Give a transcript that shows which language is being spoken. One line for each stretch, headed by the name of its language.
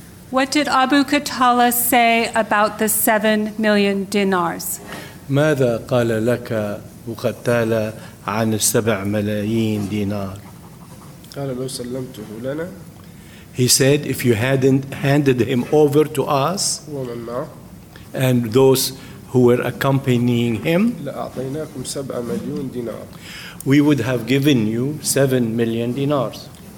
English: What did Abu Khattala say about the 7 million dinars?
Arabic: ماذا قال لك أبو ختالة عن السبع ملايين دينار؟ قال لو سلمته لنا.
English: He said, if you hadn't handed him over to us,
Arabic: ومن معه.
English: And those who were accompanying him,
Arabic: لأعطيناكم سبع مليون دينار.
English: We would have given you 7 million dinars.